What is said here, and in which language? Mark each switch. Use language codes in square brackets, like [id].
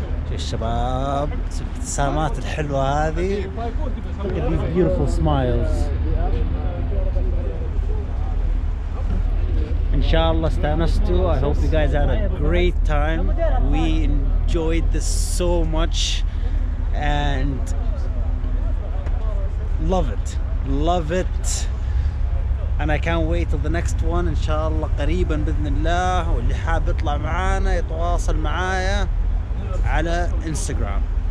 [ar] Shabab, الشباب الابتسامات الحلوة هذه. [en] Look at these beautiful smiles. Inshallah, stanastu. I hope you guys had a great time. We enjoyed this so much and love it. And I can't wait till the next one. [ar] Inshallah, قريبا بإذن الله. واللي حاب يطلع معانا يتواصل معايا على Instagram.